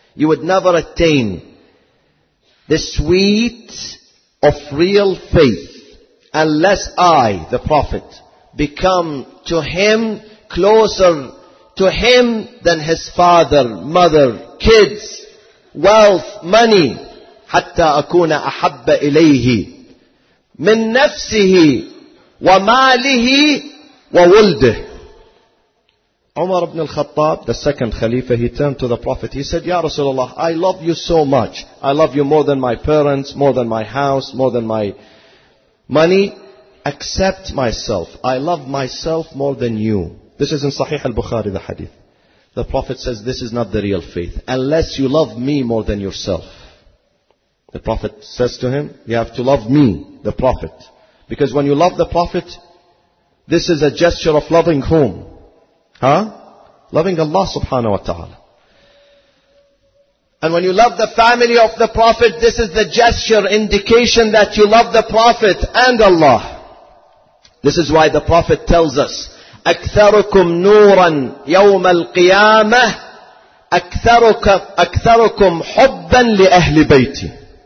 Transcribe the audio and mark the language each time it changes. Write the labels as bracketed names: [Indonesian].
[English] You would never attain the sweet of real faith unless I, the Prophet, become to him closer to him than his father, mother, kids, wealth, money. [Arabic] حتى أكون أحب إليه من نفسه وماله وولده. [English] Umar ibn al-Khattab, the second Khalifa, he turned to the Prophet. He said, Ya Rasulullah, I love you so much. I love you more than my parents, more than my house, more than my money. Accept myself. I love myself more than you. This is in Sahih al-Bukhari, the hadith. The Prophet says, this is not the real faith. Unless you love me more than yourself. The Prophet says to him, you have to love me, the Prophet. Because when you love the Prophet, this is a gesture of loving whom? Huh? Loving Allah subhanahu wa ta'ala. And when you love the family of the Prophet, this is the gesture, indication that you love the Prophet and Allah. This is why the Prophet tells us, [Arabic] أَكْثَرُكُمْ نُورًا يَوْمَ الْقِيَامَةِ أَكْثَرُكُمْ حُبًّا لِأَهْلِ بَيْتِي.